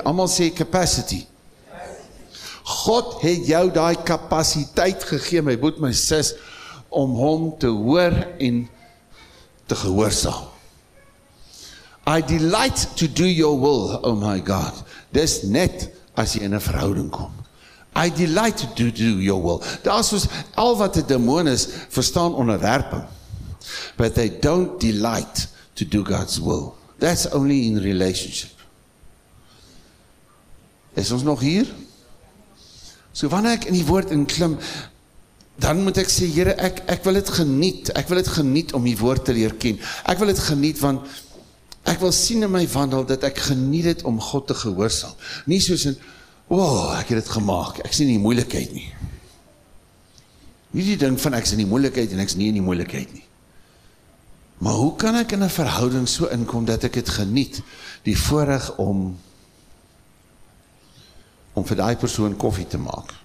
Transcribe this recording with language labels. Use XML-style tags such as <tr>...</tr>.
<af>Almal sê capacity. God het jou daai kapasiteit gegee, my boet, my sis, om hom te hoor en te gehoorsaam.</af> <en>I delight to do your will, oh my God.</en> <af>Dis net as jy in 'n verhouding kom.</af> <en>I delight to do your will.</en> <af>Daar is soos al wat die demon is, verstaan onderwerping.</af> <en>But they don't delight to do God's will. That's only in relationship.</en> <af>Is ons nog hier? So wanneer ek in die woord inklim, dan moet ek sê, Here, ek wil dit geniet. Ek wil dit geniet om die woord te leer ken. Ek wil dit geniet want ek wil sien in my wandel dat ek geniet het om God te gehoorsaam. Nie soos in, ek het dit gemaak. Ek sien die moeilikheid nie. Nie die ding van ek is in die moeilikheid en ek is nie in die moeilikheid nie. Maar hoe kan ek in 'n verhouding so inkom dat ek het geniet die voorreg om vir daai persoon koffie te maak?</af>